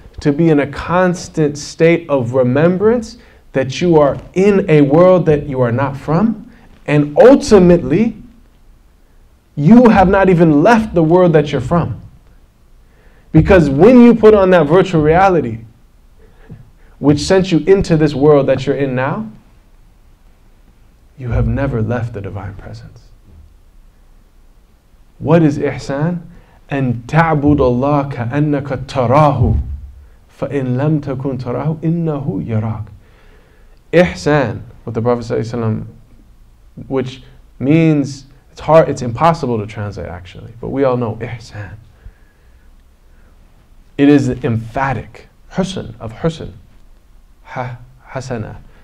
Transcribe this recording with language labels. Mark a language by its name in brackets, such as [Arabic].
[English] To be in a constant state of remembrance that you are in a world that you are not from, and ultimately you have not even left the world that you're from. Because when you put on that virtual reality which sent you into this world that you're in now, you have never left the Divine Presence. What is Ihsan? [Arabic] أن تعبد الله كأنك تراه فإن لم تكن تراه إنه يراك. [English] Ihsan, what the Prophet ﷺ, which means, it's hard, it's impossible to translate actually, but we all know Ihsan. It is emphatic, Husn, of Husn, Hasana.